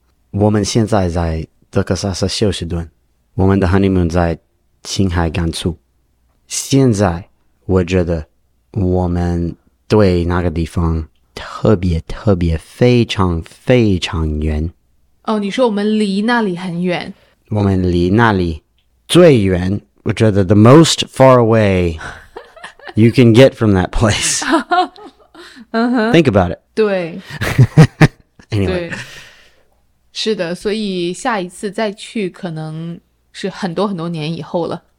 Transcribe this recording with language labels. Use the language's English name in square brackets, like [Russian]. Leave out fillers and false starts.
[Chinese] 我们现在在德克萨斯休斯顿，我们的 honeymoon 在青海甘肃。现在我觉得我们对那个地方特别特别非常非常远。哦，你说我们离那里很远？我们离那里最远。我觉得 [English] the most far away you can get from that place. 、 uh-huh, Think about it. [Chinese] 对。 [English] Anyway. [Chinese] 对，是的，所以下一次再去可能是很多很多年以后了。